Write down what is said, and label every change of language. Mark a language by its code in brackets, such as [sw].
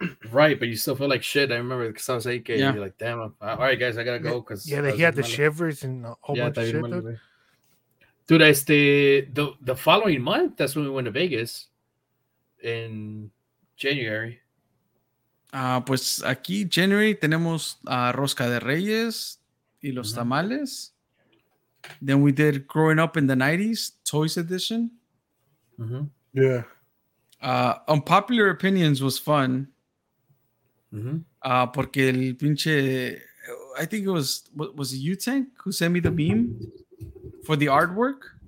[en] Right, but you still feel like shit. I remember because I was AK. Yeah. You're like, damn. All right, guys, I got to go. Cause yeah, he had the shivers and a whole bunch of shit. Dude, the following month, that's when we went to Vegas in January. [es] Pues aquí, January, tenemos Rosca de Reyes y los mm-hmm. tamales. [en] Then we did Growing Up in the 90s, Toys Edition. Mm-hmm. Yeah. Unpopular Opinions was fun. Mm-hmm. [es] Porque el pinche, [en] I think it was it you, Tank, who sent me the meme for the artwork?